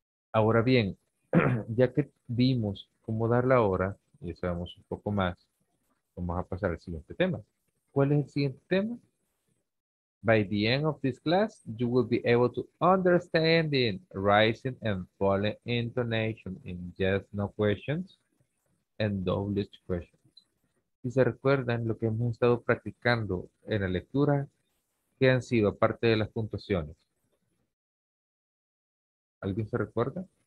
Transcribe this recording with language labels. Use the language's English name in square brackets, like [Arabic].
[Spanish] Ahora bien, ya que vimos cómo dar la hora y sabemos un poco más, vamos a pasar al siguiente tema. ¿Cuál es el siguiente tema? [English] By the end of this class, you will be able to understand in rising and falling intonation in yes, no questions and doubles questions. [Spanish] Si se recuerdan lo que hemos estado practicando en la lectura, ¿qué han sido aparte de las puntuaciones? ¿Alguien se recuerda?